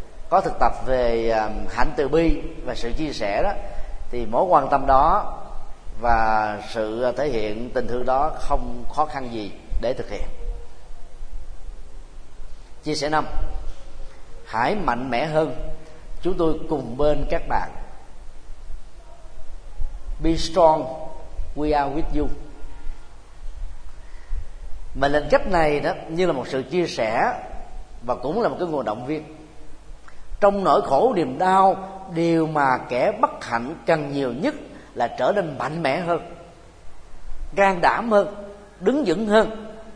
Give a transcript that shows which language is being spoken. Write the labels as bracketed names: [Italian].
[Vietnamese] có thực tập về hạnh từ bi và sự chia sẻ đó, thì mối quan tâm đó và sự thể hiện tình thương đó không khó khăn gì để thực hiện. Chia sẻ năm, hãy mạnh mẽ hơn, chúng tôi cùng bên các bạn. [English] Be strong, we are with you. [Vietnamese] Mình lên cách này đó như là một sự chia sẻ và cũng là một cái nguồn động viên. Trong nỗi khổ niềm đau, điều mà kẻ bất hạnh cần nhiều nhất là trở nên mạnh mẽ hơn, can đảm hơn, đứng vững hơn.